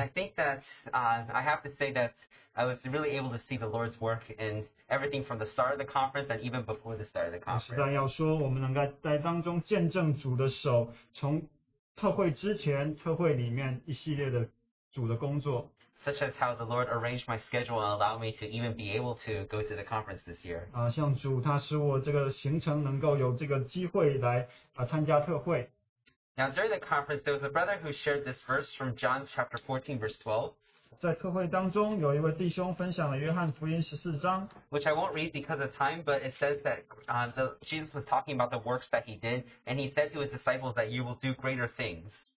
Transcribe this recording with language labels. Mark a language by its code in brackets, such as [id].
[en] I think that I have to say that I was really able to see the Lord's work in everything from the start of the conference and even before the start of the conference. [zh] 实际上要说，我们能够在当中见证主的手，从特会之前、特会里面一系列的主的工作。 [en] Such as how the Lord arranged my schedule and allowed me to even be able to go to the conference this year. [zh] 像主他使我这个行程能够有这个机会来参加特会。 [en] Now during the conference, there was a brother who shared this verse from John chapter 14 verse 12. [zh] 在特会当中有一位弟兄分享了约翰福音14章, [en] which I won't read because of time, but it says that Jesus was talking about the works that he did, and he said to his disciples that you will do greater things.